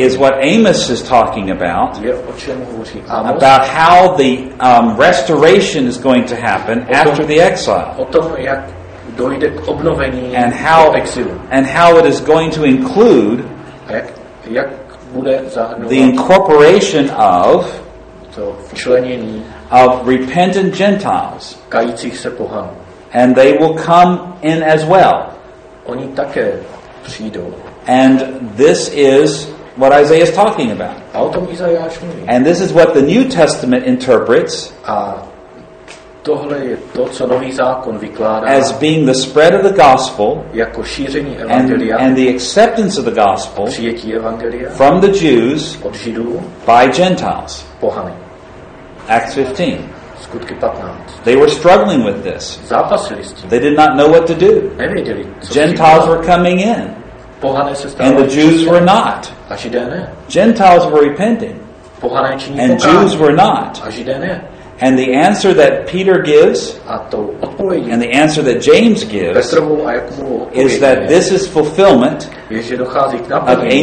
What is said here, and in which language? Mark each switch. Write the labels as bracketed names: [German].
[English] is what Amos is talking about, [Czech] je, o čem hovoří Amos, [English] about how the restoration is going to happen tom, after the exile. [Czech] O tom, jak dojde k obnovení [English] and how, [Czech] po exilu. [English] And how it is going to include [Czech] jak bude zahrnovat [English] the incorporation of [Czech] to včlenění [English] of repentant Gentiles, [Czech] kajících se pohanů, [English] and they will come in as well. [Czech] Oni také přijdou. [English] And this is what Isaiah is talking about. [Czech] A o tom Izajáš mluví. [English] And this is what the New Testament interprets. [Czech] A tohle je to, co Nový zákon vykládá. [English] As being the spread of the gospel, [Czech] jako šíření evangelia, [English] and the acceptance of the gospel, [Czech] přijetí evangelia, [English] from the Jews, [Czech] od Židů, [English] by Gentiles, [Czech] pohany. [English] Acts 15. [Czech] Skutky 15. [English] They were struggling with this. [Czech] Zápasili s tím. [English] They did not know what to do. [Czech] Nevěděli, co [English] Gentiles were coming in. [Czech] Pohané se stávali. [English] And the Jews [Czech] Židé. [English] Were not. [Czech] A Židé ne. [English] Gentiles were repenting. [Czech] Pohané činí pokání. [English] And Jews were not. [Czech] A Židé ne. [English] And the answer that Peter gives, [Czech] a to odpovědi, [English] and the answer that James gives, [Czech] Petrovou a Jakubovou odpovědi, [English] is that [Czech] je, [English] this is fulfillment [Czech] je, že dochází k naplnění